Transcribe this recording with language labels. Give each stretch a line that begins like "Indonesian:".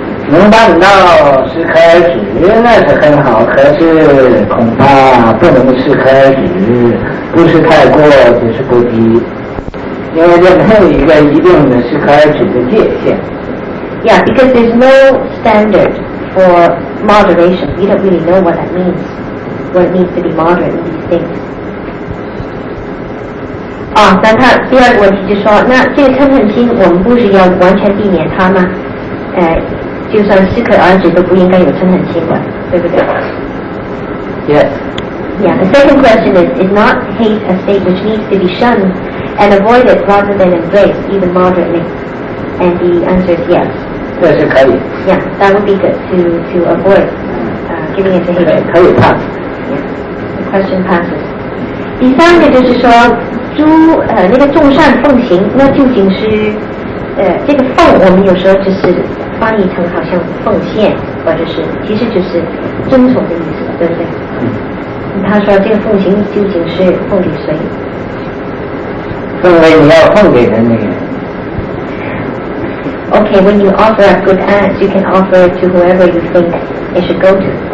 Chinese: 能办到适可而止那是很好，可是恐怕不能适可而止，不是太过就是过低，因为这没有一个一定的适可而止的界限。
English: Yeah, because there's no standard for moderation. You don't really know what that means, what it means to be moderate in these things.
Chinese: 那他第二个问题就说，那这个嗔恨心我们不是要完全避免它吗？就算适可而止都不应该有嗔恨心了，对不对？
English: Yes. Yeah, the second question is not hate a state which needs to be shunned and avoided rather than embraced, even moderately? And the answer is yes.
Chinese: 这是可以。
English: Yeah, that would be good to avoid giving it to hate.
Chinese: 可以 pass.
English: Yeah, the question passes.
Chinese: 第三个就是说，那个众善奉行，那究竟是这个奉，我们有时候就是翻译成好像奉献，或者是其实就是遵从的意思，对不对？他说这个奉行究竟是奉给谁？奉给你要奉给的那个人。
English: OK, when you offer a good act, you can offer it to whoever you think it should go to.